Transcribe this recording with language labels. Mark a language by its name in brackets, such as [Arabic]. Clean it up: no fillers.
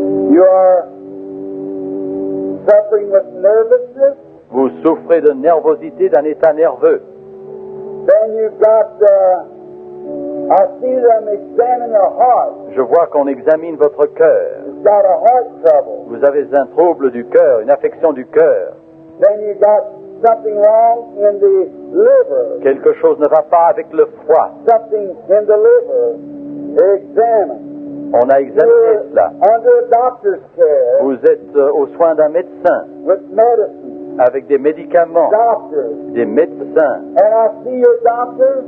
[English] You are suffering with nervousness. [French] Vous souffrez de nervosité, d'un état nerveux. [English] Then you've got the. I see them examining your heart. [French] Je vois qu'on examine votre cœur. [English] You've got a heart trouble. [French] Vous avez un trouble du cœur, une affection du cœur. [English] Then you got something wrong in the liver. [French] Quelque chose ne va pas avec le foie. [English] Something in the liver. Examine. [French] On a examiné [English] you're [French] cela. [English] Under a doctor's care. [French] Vous êtes aux soins d'un médecin. [English] With medicine. [French] Avec des médicaments. [English] Doctors. [French] Des médecins. [English] And I see your doctor.